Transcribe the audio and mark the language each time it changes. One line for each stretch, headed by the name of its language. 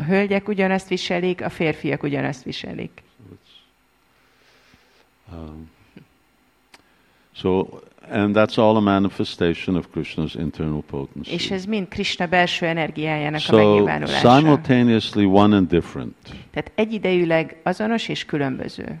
Hungarian: A hölgyek ugyanazt viselik, a férfiak ugyanazt viselik.
English: So and that's all a manifestation of Krishna's internal potency.
Hungarian: És ez mind Krishna belső energiájának so a megnyilvánulása.
English: So simultaneously one and different.
Hungarian: Tehát egyidejűleg azonos és különböző.